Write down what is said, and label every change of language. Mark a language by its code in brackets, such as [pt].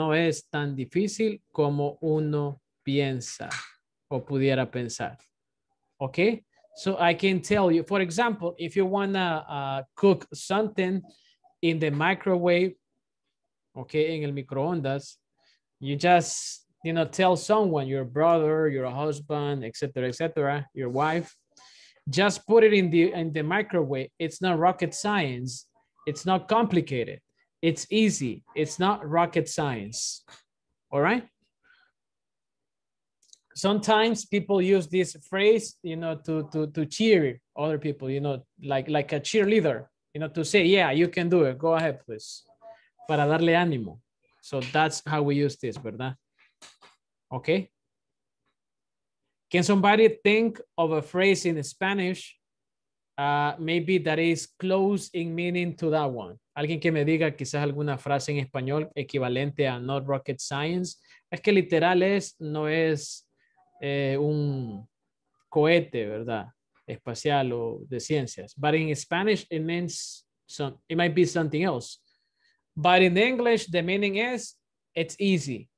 [es] No es tan difícil como uno piensa o pudiera pensar. [en] Okay? So I can tell you, for example, if you want to cook something in the microwave, okay, en el microondas, you just, you know, tell someone, your brother, your husband, et cetera, your wife, just put it in the microwave. It's not rocket science. It's not complicated. It's easy. It's not rocket science. All right? Sometimes people use this phrase, you know, to cheer other people, you know, like a cheerleader, you know, to say, yeah, you can do it. Go ahead, please. Para darle ánimo. So that's how we use this, ¿verdad? Okay? Can somebody think of a phrase in Spanish? Maybe that is close in meaning to that one. [es] Alguien que me diga quizás alguna frase en español equivalente a not rocket science. Es que literal es, no es un cohete, ¿verdad? Espacial o de ciencias. [en] But in Spanish, it means it might be something else. But in English, the meaning is, it's easy.